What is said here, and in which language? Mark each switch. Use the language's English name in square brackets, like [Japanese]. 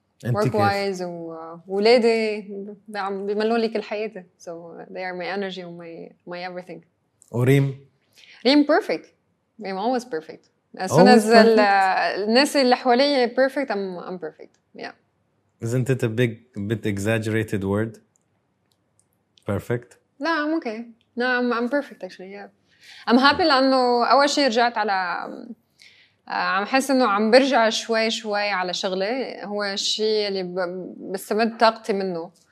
[English] Work-wise [Arabic] وولادي بيملون لي كل حياتي. [English] So they are my energy and my everything. [Arabic] وريم؟ [English] ريم perfect. I'm always perfect. As soon as [Arabic] الناس اللي حوالي [English] perfect, I'm perfect. Yeah. Isn't it a bit exaggerated word? Perfect? No, I'm okay. No, I'm perfect actually. Yeah. I'm happy [Arabic] لأنه أول شيء رجعت على عم حس انه عم برجع شوي شوي على شغله, هو الشيء اللي بستمد طاقتي منه.